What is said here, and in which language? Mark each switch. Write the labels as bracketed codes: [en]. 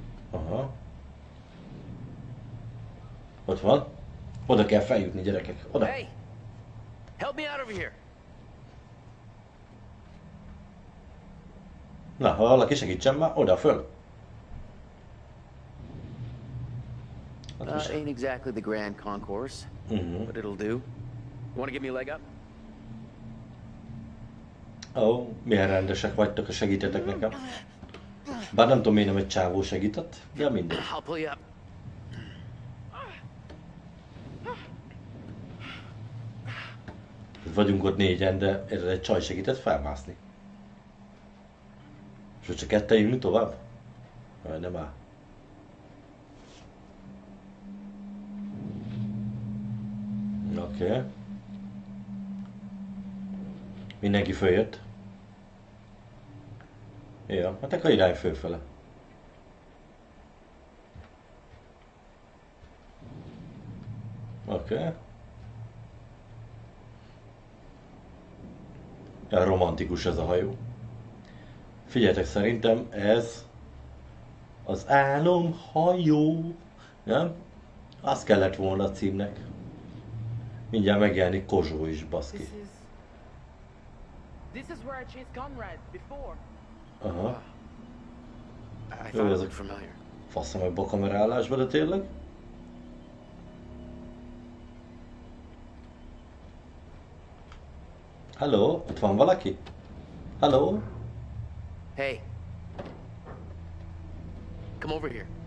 [hu] Aha. Ott van. Oda kell feljutni, gyerekek. Oda. [en] Help me out over here. [hu] Na, ha valaki segítsen már, oda föl. [en] Not exactly the grand concourse, but it'll do. You want to give me a leg up? [hu] Oh, milyen rendesek vagytok, ha segítetek nekem. Bár nem tudom, én nem egy csávó segített, de mindegy. [en] I'll pull you up. [hu] Vagyunk ott négyen, de erre egy csaj segített felmászni. És hogy csak ketten mi tovább? Vagy nem áll. Oké. Mindenki följött. Ja, hát akkor irány fölfele. Oké. Ja, romantikus ez a hajó. Figyeljetek, szerintem ez az álom hajó, nem? Az kellett volna a címnek. Mindjárt megjelenik Kozsó is, baszki. [en] This is where I chased Conrad before. [hu] Aha. [en] I thought it looked familiar. [hu] Faszom ebbe a kamerállásba, de tényleg? Hello, ott van valaki? Hello? [en] Hey. Come over here.